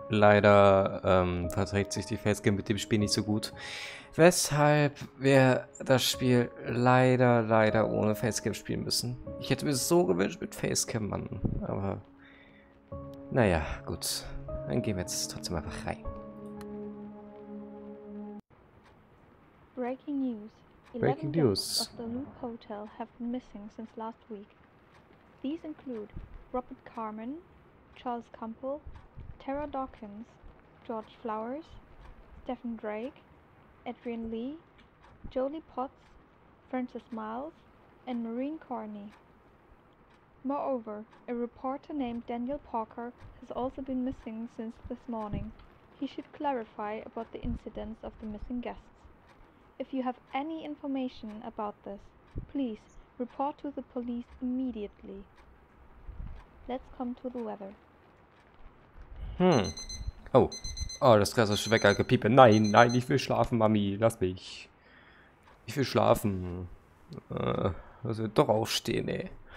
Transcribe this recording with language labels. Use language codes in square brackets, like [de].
[de] Leider verträgt sich die Facecam mit dem Spiel nicht so gut. Weshalb wir das Spiel leider ohne Facecam spielen müssen. Ich hätte mir so gewünscht mit Facecam, Mann. Aber naja, gut. Dann gehen wir jetzt trotzdem einfach rein. [en] Breaking News. 11 guests of the Loop Hotel have been missing since last week. These include Robert Carman, Charles Campbell, Tara Dawkins, George Flowers, Stephen Drake, Adrian Lee, Jolie Potts, Francis Miles, and Maureen Carney. Moreover, a reporter named Daniel Parker has also been missing since this morning. He should clarify about the incidents of the missing guests. If you have any information about this, please report to the police immediately. Let's come to the weather. [de] Oh, das klassische Weckergepiepe. Nein, ich will schlafen, Mami. Lass mich. Ich will schlafen. Lass mich doch aufstehen, ey.